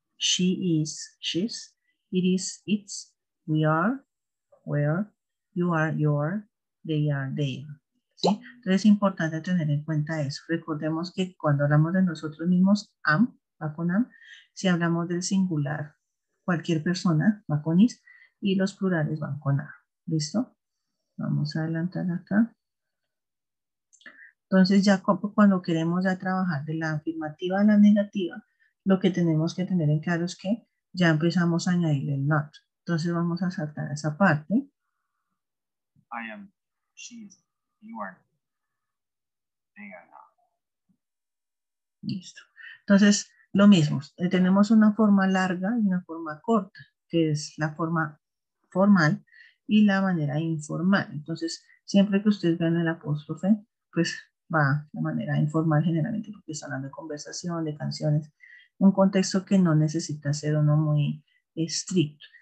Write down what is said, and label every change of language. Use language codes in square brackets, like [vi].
[en] She is, she's, it is, it's, we are, where, you are, they are, they. [es] ¿Sí? Entonces es importante tener en cuenta eso. Recordemos que cuando hablamos de nosotros mismos, am, va con am, si hablamos del singular, cualquier persona va con is, y los plurales van con a. ¿Listo? Vamos a adelantar acá. Entonces, ya cuando queremos ya trabajar de la afirmativa a la negativa, lo que tenemos que tener en claro es que ya empezamos a añadir el not. Entonces, vamos a saltar esa parte. [en] I am, she is, you are, they are not. [es] Listo. Entonces, lo mismo. Tenemos una forma larga y una forma corta, que es la forma formal y la manera informal. Entonces, siempre que ustedes vean el apóstrofe, pues va de manera informal generalmente, porque está hablando de conversación, de canciones, un contexto que no necesita ser uno muy estricto.